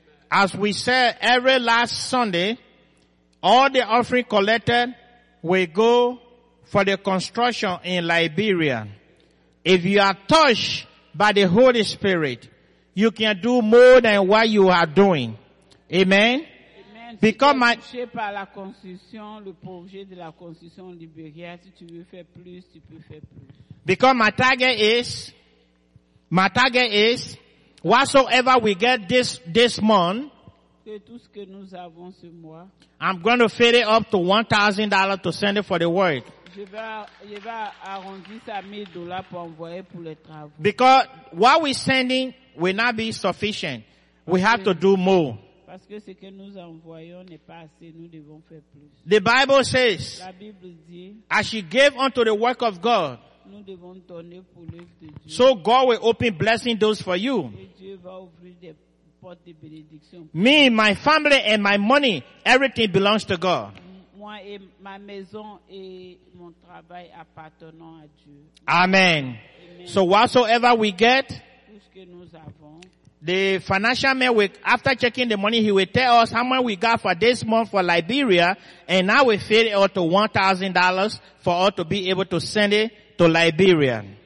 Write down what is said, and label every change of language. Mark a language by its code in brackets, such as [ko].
[en] As we said, every last Sunday, all the offering collected will go for the construction in Liberia. If you are touched by the Holy Spirit, you can do more than what you are doing. Amen. [fr] Become touché par la construction, le projet de la construction libérienne. Si tu veux faire plus, tu peux faire plus. [en] Because my target is, whatsoever we get this month, [fr] tout ce que nous avons ce mois, [en] I'm going to fill it up to $1,000 to send it for the work. [fr] Je vais arrondir ça $1,000 pour envoyer pour les travaux. [en] Because what we're sending will not be sufficient. We have to do more. [fr] Parce que ce que nous envoyons n'est pas assez, nous devons faire plus. [en] The Bible says, [fr] la Bible dit, [en] as she gave unto the work of God, [fr] nous devons donner pour l'œuvre de Dieu. [en] So God will open blessing doors for you. [fr] Et Dieu va ouvrir des portes de bénédiction. [en] Me, my family and my money, everything belongs to God. [fr] Moi et ma maison et mon travail appartenant à Dieu. [en] Amen. So whatsoever we get, [fr] tout ce que nous avons, [en] the financial man, after checking the money, he will tell us how much we got for this month for Liberia, and now we fill it up to $1,000 for us to be able to send it to Liberia.